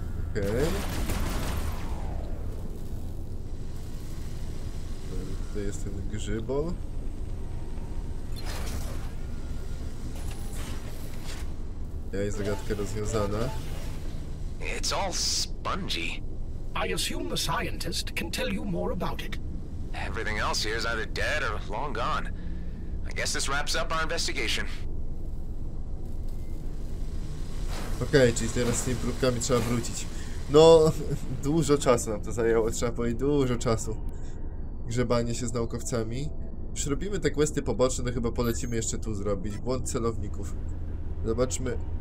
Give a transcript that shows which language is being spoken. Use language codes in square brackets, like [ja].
[pl] Okej. Okay. Tutaj jest ten grzybol. Ja i zagadkę rozwiązana. [en] It's all spongy. I assume the scientist can tell you more about it. Everything else here is either dead or long gone. I guess this wraps up our investigation. [pl] Okej, czyli teraz z tymi próbkami trzeba wrócić. No, dużo czasu nam to zajęło, trzeba powiedzieć, dużo czasu. Grzebanie się z naukowcami. Już robimy te questy poboczne, to chyba polecimy jeszcze tu zrobić. Błąd celowników. Zobaczmy.